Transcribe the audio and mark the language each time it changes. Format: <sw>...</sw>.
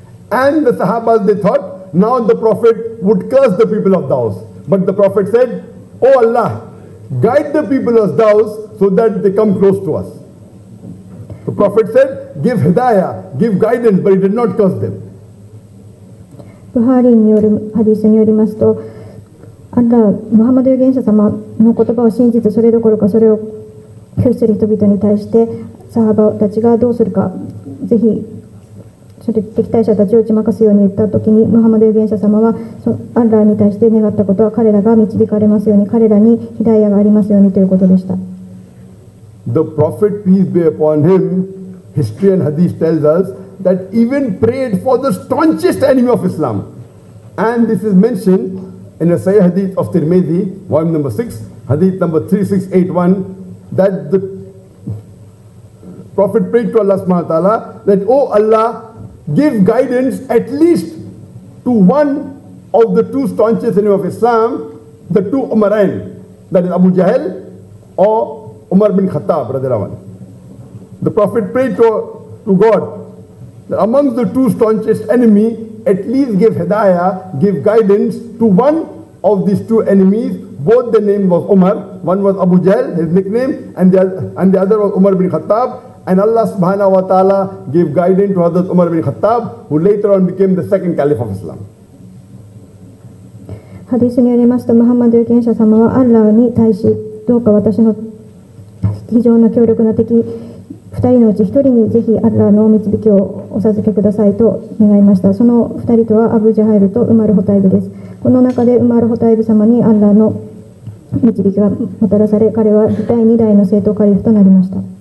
<en>And the Sahabas, they thought, now the Prophet would curse the people of Daus. But the Prophet said, O Allah, guide the people of Daus so that they come close to us. The Prophet said, give hidayah, give guidance, but he did not curse them.</en> <ja>Buhari によるハディスによりますと、アッラー、ムハンマド預言者様の言葉を信じて、それどころかそれを拒否する人々に対して、サハバたちがどうするか、ぜひ、それ敵対者たちを打ち負かすように言ったときに、ムハンマド預言者様は、アッラーに対して願ったことは、彼らが導かれますように、彼らにヒダイヤがありますようにということでした。</ja> <en>The Prophet, peace be upon him, history and hadith tells us that even prayed for the staunchest enemy of Islam. And this is mentioned. In a Sahih Hadith of Tirmidhi, volume number 6, Hadith number 3681, that the Prophet prayed to Allah subhanahu wa ta'ala, that, O Allah, give guidance at least to one of the two staunchest enemies of Islam, the two Umarain, that is Abu Jahl or Umar bin Khattab, radhiyallahu anhu. The Prophet prayed to God, that amongst the two staunchest enemies, at least give hidayah, give guidance to one of these two enemies. Both the name was Umar. One was Abu Jahl, his nickname, and the other was Umar bin Khattab. And Allah subhanahu wa ta'ala gave guidance to Hazrat Umar bin Khattab, who later on became the second caliph of Islam.</en> <ja>Hadith によりますと、ムハンマド預言者様はアッラーに対し、どうか私の非常な強力な敵、二人のうち一人にぜひアッラーのお導きをお授けくださいと願いました。その二人とはアブジャハイルとウマルホタイブです。この中でウマルホタイブ様にアッラーの導きがもたらされ、彼は第2代の正統カリフとなりました。</ja>